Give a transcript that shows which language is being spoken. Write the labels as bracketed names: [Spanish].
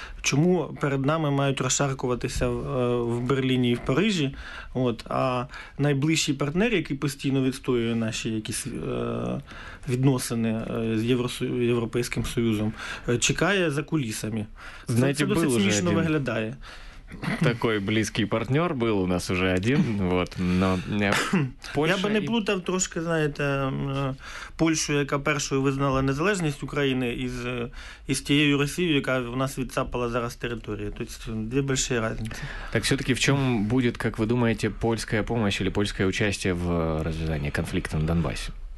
[Ukrainian] Чому перед нами мають розшаркуватися в Берліні і в Парижі? От, а найближчий партнер, який постійно відстоює наші якісь відносини з Європейським Союзом, чекає за кулісами. Знаєте, це досить смішно виглядає. [Russian] Такой близкий партнер был у нас уже один, вот, но [Ukrainian] Польша... Я бы не плутав трошки, знаете, Польшу, яка першою визнала незалежність України, із тією Росією, яка в нас відцапала зараз територію. [Russian] То есть [Ukrainian] дві больші різниці. Так все-таки в чому буде, як ви думаєте, польська допомога чи польське участь в розв'язанні конфлікту на Донбасі?